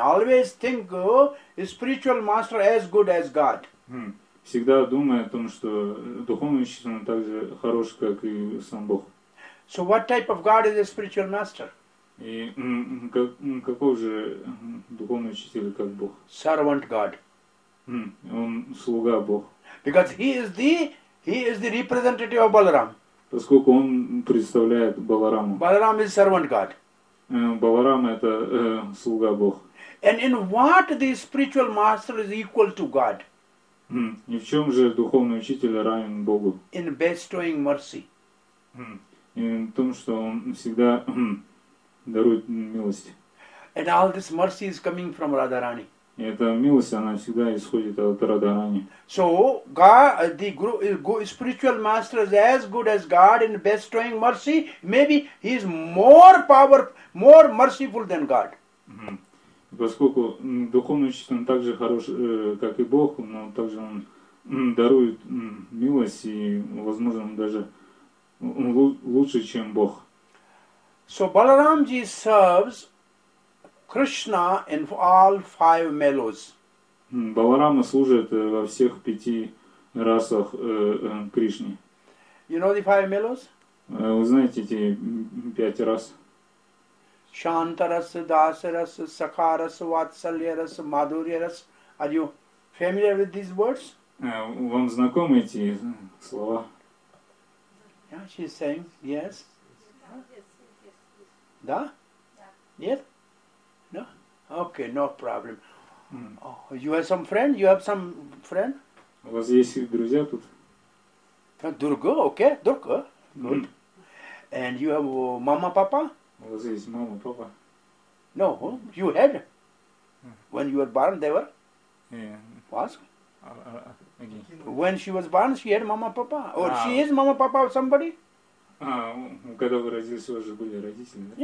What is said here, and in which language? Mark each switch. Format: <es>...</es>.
<en>Always think of spiritual master as good as God.</en> <ru>Всегда думай о том, что духовный учитель так же хорош, как и сам Бог.</ru> <en>So what type of God is a spiritual master?</en> <ru>И какой же духовный учитель, как Бог?</ru> <en>Servant God.</en> <ru>Он слуга Бог.</ru> <en>Because he is the representative of Balaram.</en> <ru>поскольку он представляет Баларама.</ru> <en>Balaram is servant god.</en> <ru>Баларама это слуга Бог.</ru> <en>And in what the spiritual master is equal to God?</en> <ru>И в чем же духовный учитель равен Богу?</ru> <en>In bestowing mercy.</en> <ru>И в том, что он всегда дарует милость.</ru> <en>And all this mercy is coming from Radharani.</en> <ru>И эта милость, она всегда исходит от Радхарани.</ru> <en>So, God, the spiritual master is as good as God in bestowing mercy. Maybe he is more powerful, more merciful than God.</en> <ru>Поскольку духовный учитель, он так же хорош, как и Бог, но также он дарует милость и, возможно, даже лучше, чем Бог.</ru> <en>So, Balaramji serves Krishna in all five mellows.</en> <ru>Баларама служит во всех пяти расах Кришне.</ru> <en>You know the five mellows?</en> <ru>Вы знаете эти пять рас?</ru> <en>Shantaras, Dasaras, Sakaras, Vatsalyaras, Madhuryaras. Are you familiar with these words?</en> <ru>Вам знакомы эти слова?</ru> <en>Yeah, she's saying yes. Да? Yes. Yes. Okay, no problem. Oh, you have some friend? You have some friend?</en> <ru>У вас есть друзья тут?</ru> <en>Durga, okay, Durga. Good. And you have mama, papa?</en> <ru>У вас есть мама, папа?</ru> <en>No, you had. When you were born, they were? Yeah. What? Again. When she was born, she had mama, papa? Or she is mama, papa of somebody?</en> <ru>Когда вы родились, у вас же были родители, да?</ru>